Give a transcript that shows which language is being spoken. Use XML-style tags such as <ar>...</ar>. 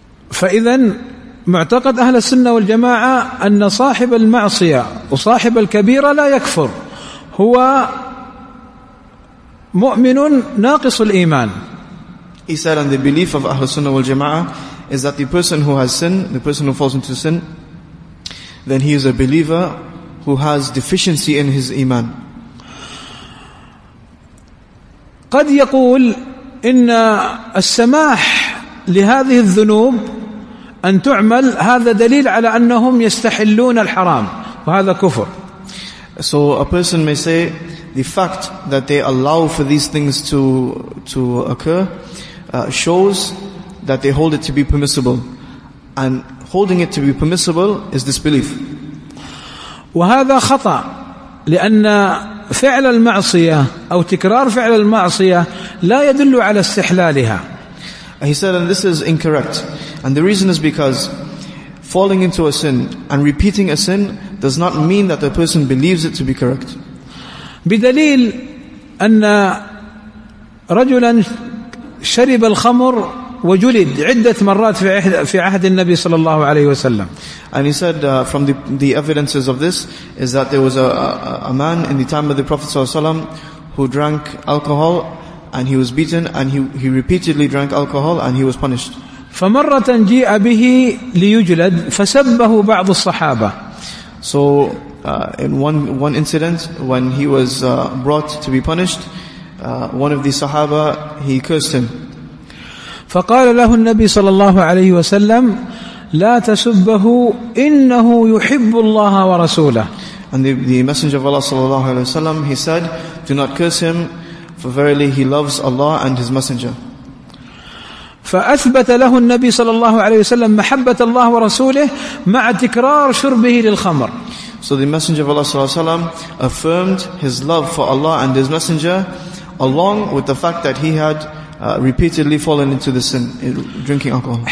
<ar>فإذن معتقد أهل السنة والجماعة أن صاحب المعصية وصاحب الكبيرة لا يكفر، هو مؤمن ناقص الإيمان.</ar> <en>He said, and the belief of Ahl Sunnah wal Jama'ah is that the person who has sin, the person who falls into sin, then he is a believer who has deficiency in his iman.</en> <ar>قد يقول إن السماح لهذه الذنوب أن تعمل هذا دليل على أنهم يستحلون الحرام وهذا كفر.</ar> <en>So a person may say the fact that they allow for these things to occur shows that they hold it to be permissible, and holding it to be permissible is disbelief.</en> <ar>وهذا خطأ، لأن فعل المعصية أو تكرار فعل المعصية لا يدل على استحلالها.</ar> <en>He said, and this is incorrect. And the reason is because falling into a sin and repeating a sin does not mean that the person believes it to be correct.</en> <ar>بدليل أن رجلا شرب الخمر وجلد عدة مرات في عهد النبي صلى الله عليه وسلم.</ar> <en>And he said, from the evidences of this is that there was a man in the time of the Prophet</en> <ar>صلى الله عليه وسلم</ar> <en>who drank alcohol and he was beaten, and he repeatedly drank alcohol and he was punished.</en> <ar>فمرة جاء به ليجلد فسبه بعض الصحابة.</ar> <en>So in one incident when he was brought to be punished, one of the Sahaba, he cursed him.</en> <ar>فقال له النبي صلى الله عليه وسلم لا تسبه إنه يحب الله ورسوله.</ar> <en>And the Messenger of Allah</en> <ar>صلى الله عليه وسلم,</ar> <en>he said, do not curse him, for verily he loves Allah and his Messenger.</en> <ar>فأثبت له النبي صلى الله عليه وسلم محبة الله ورسوله مع تكرار شربه للخمر.</ar> <en>So the Messenger of Allah</en> <ar>صلى الله عليه وسلم</ar> <en>affirmed his love for Allah and his Messenger along with the fact that he had repeatedly fallen into the sin, drinking alcohol.</en>